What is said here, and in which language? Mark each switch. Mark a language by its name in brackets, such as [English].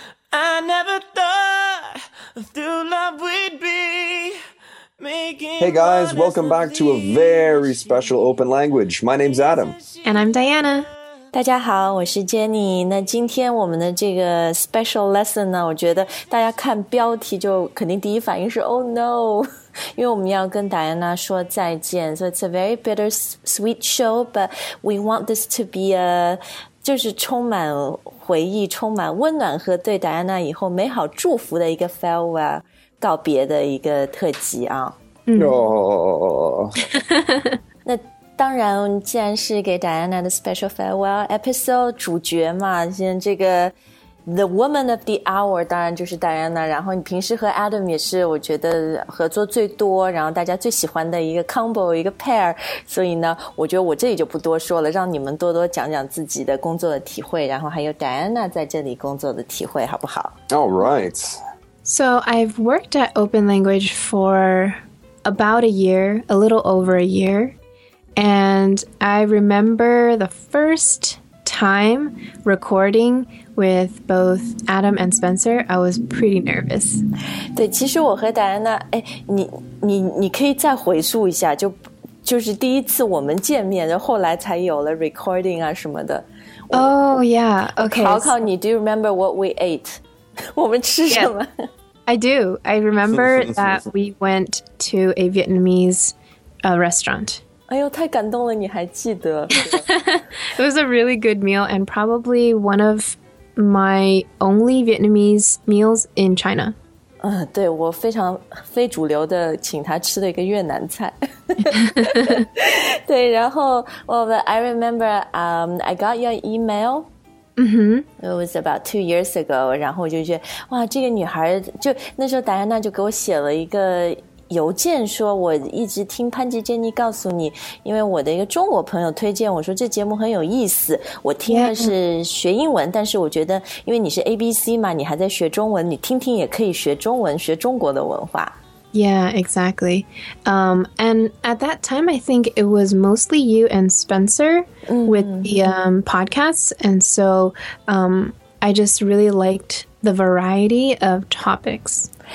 [English] I never thought through love we'd be making. Hey guys, welcome back to a very special open language. My name's Adam. And I'm Diana. [Chinese] 大家好，我是 Jenny。那今天我们的这个 [English] special lesson [Chinese] 呢，我觉得大家看标题就肯定第一反应是 [English] Oh no， [Chinese] 因为我们要跟 Diana 说再见。 [English] So it's a very bittersweet show， but we want this to be a [Chinese] 就是充满回忆，充满温暖和对 Diana 以后美好祝福的一个 farewell 告别的一个特辑啊。哦、oh. 那当然既然是给 Diana 的 special farewell episode 主角嘛，现在这个 the woman of the hour 当然就是 Diana， 然后你平时和 Adam 也是我觉得合作最多，然后大家最喜欢的一个 combo 一个 pair， 所以呢我觉得我这里就不多说了，让你们多多讲讲自己的工作的体会，然后还有 Diana 在这里工作的体会好不好。 [English] All right. So I've worked at Open Language for about a year, a little over a yearAnd I remember the first time recording with both Adam and Spencer, I was pretty nervous. [Chinese] 对，其实我和 Diana， 哎，你可以再回溯一下，就是第一次我们见面，然后后来才有了 recording 啊什么的。 [English] Oh yeah, okay. [Chinese] 考考你 [English] ，Do you remember what we ate? [Chinese] 我们吃什么 [English] ？I do. I remember that we went to a Vietnamese, restaurant. [Chinese] 哎呦，太感动了，你还记得。 [English] It was a really good meal and probably one of my only Vietnamese meals in China. [Chinese] 对，我非常非主流的请他吃的一个越南菜。对，然后 [English] well, but I remember, I got your email. Mm-hmm. It was about 2 years ago. [Chinese] 然后我就觉得哇，这个女孩就那时候戴安娜就给我写了一个邮件，说我一直听潘吉珍妮告诉你，因为我的一个中国朋友推荐，我说这节目很有意思，我听的是学英文、yeah. 但是我觉得因为你是 ABC 嘛，你还在学中文，你听听也可以学中文，学中国的文化。 [English] Yeah, exactly. And at that time I think it was mostly you and Spencer with the podcasts. And so I just really liked the variety of topics.